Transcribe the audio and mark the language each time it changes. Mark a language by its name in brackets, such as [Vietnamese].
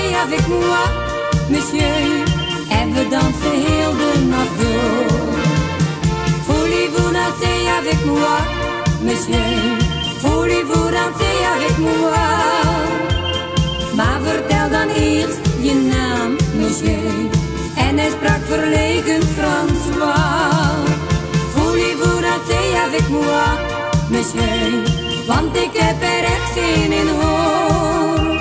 [French] Avec moi, monsieur, [Dutch] en we dansen heel de nacht door. [French] Voulez-vous danser avec moi, monsieur? Voulez-vous danser avec moi? [Dutch] Maar vertel dan eerst je naam, monsieur. En hij sprak verlegen François. [French] Voulez-vous danser avec moi, monsieur? [Dutch] Want ik heb er echt zin in, hoor.